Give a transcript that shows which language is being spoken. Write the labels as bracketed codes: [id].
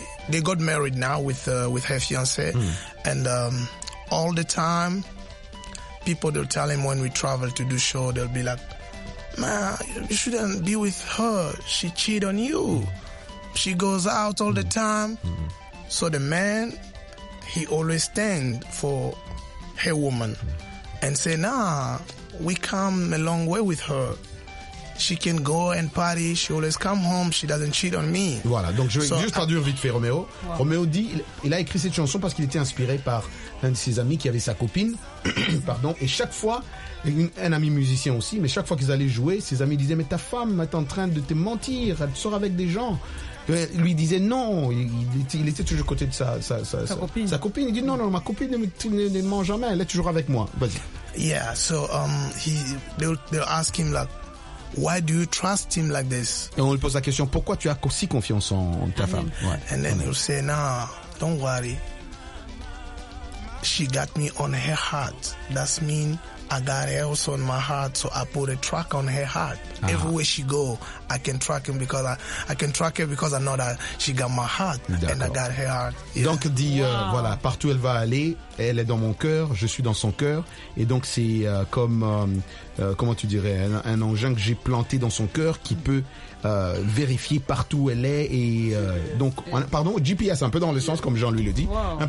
[en] They got married now with her fiancé. And all the time, people will tell him when we travel to do show, they'll be like, man, you shouldn't be with her. She cheat on you. She goes out all the time. So the man, he always stand for her woman and say, nah, we come a long way with her. She can go and party. She always come home. She doesn't cheat on me. [fr] Voilà, donc je vais juste traduire vite fait Roméo. Wow. Roméo dit, il a écrit cette chanson parce qu'il était inspiré par un de ses amis qui avait sa copine. Pardon. Et chaque fois, un ami musicien aussi, mais chaque fois qu'ils allaient jouer, ses amis disaient, mais ta femme est en train de te mentir. Elle sort avec des gens. Il lui disait non, il était toujours à côté de sa copine. Sa copine, il dit non, ma copine ne ment jamais, elle est toujours avec moi. Vas-y. [en] Yeah, so they'll ask him like, why do you trust him like this? [fr] Et on lui pose la question, pourquoi tu as aussi confiance en ta femme? [en] Ouais. And then he'll say, no, don't worry. She got me on her heart. That means I got else on my heart, so I put a track on her heart. Uh-huh. Everywhere she go, I can track him because I can track her because I know that she got my heart. D'accord. And I got her heart. [fr] Yeah. Donc dit wow. Voilà, partout elle va aller, elle est dans mon cœur, je suis dans son cœur, et donc c'est comment tu dirais un engin que j'ai planté dans son cœur qui peut vérifier partout où elle est et donc on a, pardon GPS un peu dans le sens comme Jean-Louis le dit wow.